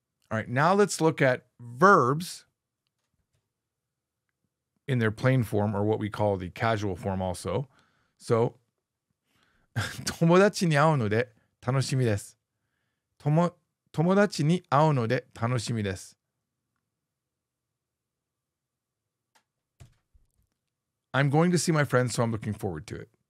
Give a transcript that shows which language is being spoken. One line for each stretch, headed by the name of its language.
English: All right, now let's look at verbs in their plain form, or what we call the casual form also.
Japanese: So, 友達に会うので楽しみです。友達に会うので楽しみです。
English: I'm going to see my friends, so I'm looking forward to it.